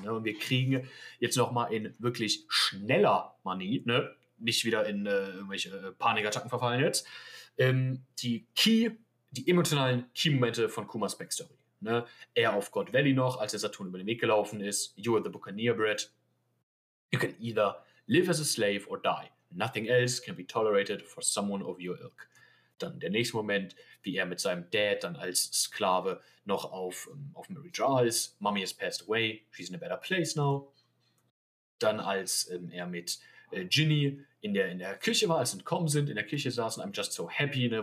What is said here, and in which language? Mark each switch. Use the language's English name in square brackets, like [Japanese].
[German] Und wir kriegen jetzt nochmal in wirklich schneller Manie, nicht wieder in irgendwelche Panikattacken verfallen jetzt, die emotionalen Key-Momente von Kumas Backstory. Ne? Er auf God Valley noch, als der Saturn über den Weg gelaufen ist. [English] You are the Buccaneer, Brett. You can either live as a slave or die. Nothing else can be tolerated for someone of your ilk. [German] Dann der nächste Moment, wie er mit seinem Dad dann als Sklave noch auf Mary Giles. [English] Mommy has passed away. She's in a better place now. [German] Dann als er mit Ginny in der Küche war, als sie entkommen sind, in der Küche saßen. [English] I'm just so happy, [German] ne?